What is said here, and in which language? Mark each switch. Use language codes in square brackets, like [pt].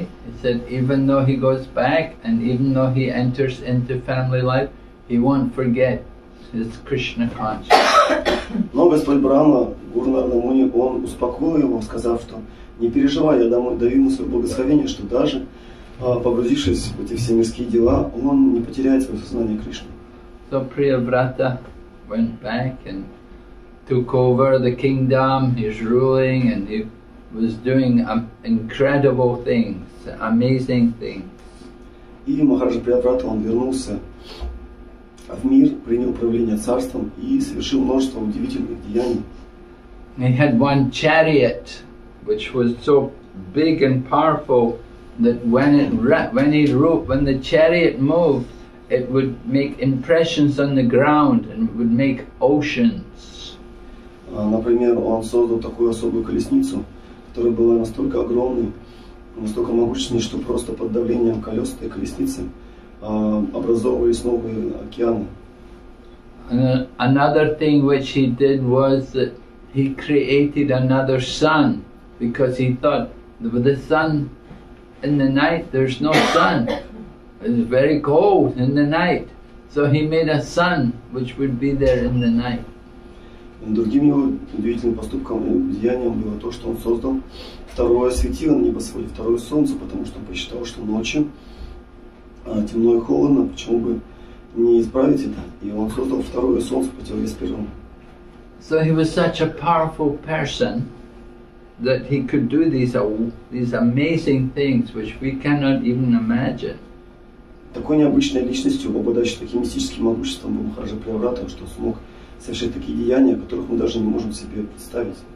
[en] He said, even though he goes back and even though he enters into family life, he won't forget is Krishna conscious. [ru] Но Господь Брама, Гуру Нарадамуни, он успокоил его, сказав, что не переживай, я даю ему свое благословение, что даже погрузившись в эти все мирские дела, он не потеряет свое сознание Кришны. [en] So Priyavrata went back and took over the kingdom. He's ruling and he was doing incredible things, amazing things. [ru] И Махараджа Приятврата, он вернулся в мир, принял управление царством и совершил множество удивительных деяний. [en] He had one chariot, which was so big and powerful that when the chariot moved, it would make impressions on the ground and it would make oceans. [ru] Например, он создал такую особую колесницу, которая была настолько огромной, настолько могущественной, что просто под давлением колес этой колесницы образовывались новые океаны. [en] Another thing which he did was that he created another sun, because he thought the sun in the night, there's no sun, it's very cold in the night, so he made a sun which would be there in the night. [ru] Другим его удивительным поступком и деянием было то, что он создал второе светило на небосводе, второе солнце, потому что он посчитал, что ночью темно и холодно, почему бы не исправить это, и он создал второе солнце по теории первому. [en] So he was such a powerful person that he could do these amazing things which we cannot even imagine. [ru] Такой необычной личностью, обладающей таким мистическим могуществом, был Махараджа Приятврата, что смог совершить такие деяния, которых мы даже не можем себе представить.